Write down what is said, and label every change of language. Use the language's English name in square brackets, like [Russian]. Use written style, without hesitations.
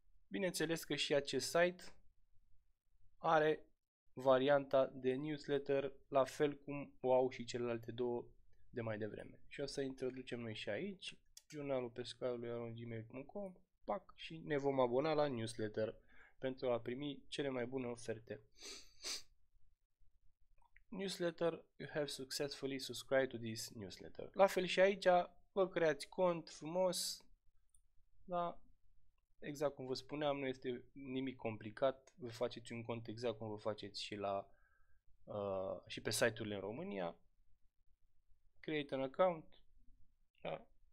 [Romanian] Bineînțeles că și acest site are varianta de newsletter, la fel cum o au și celelalte două de mai devreme. Și o să introducem noi și aici, jurnalulpescarului@gmail.com, pac, și ne vom abona la newsletter pentru a primi cele mai bune oferte. [English] Newsletter, you have successfully subscribed to this newsletter. [Romanian] La fel și aici, vă creați cont frumos, da? Exact cum vă spuneam, nu este nimic complicat, vă faceți un cont exact cum vă faceți și la și pe site-urile în România. [English] Create an account. Da.